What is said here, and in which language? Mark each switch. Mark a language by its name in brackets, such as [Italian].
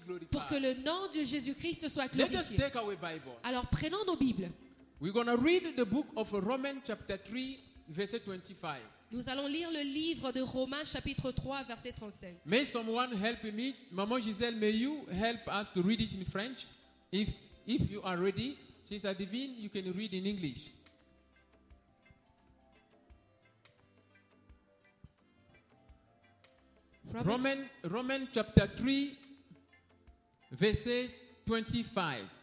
[French] Pour que le nom de Jésus-Christ soit glorifié. [English] Let us take our Bible. [French] Alors prenons nos Bibles. [English] We're going to read the book of Romans chapter 3 verse 25. [French] Nous allons lire le livre de Romains chapitre 3 verset 35. [English] May someone help me. Maman Giselle, may you help us to read it in French? If you are ready, Sister Divine, you can read in English. Romans chapter 3 verset 25.